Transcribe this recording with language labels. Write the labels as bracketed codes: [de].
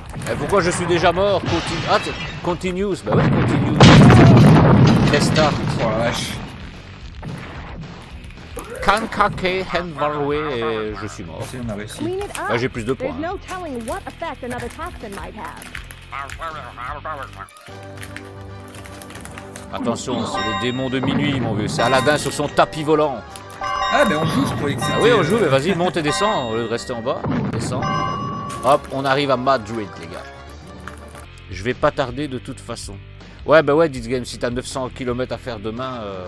[fr] Et pourquoi je suis déjà mort? Continue. Ah, continues. Bah ouais, continues. Restart. Oh la vache. Kankake Henvarwe, et je suis mort. C'est une réussite. Bah j'ai plus de points. [en] No telling what effect another toxin might have. [fr] Attention, c'est le démon de minuit, mon vieux. C'est Aladdin sur son tapis volant. Ah, mais on joue, je croyais que c'était... Ah oui, on joue, mais vas-y, monte et descend, au lieu de rester en bas. Descends. Hop, on arrive à Madrid, les gars. Je vais pas tarder de toute façon. Ouais, bah ouais, Dit Game, si t'as 900 km à faire demain.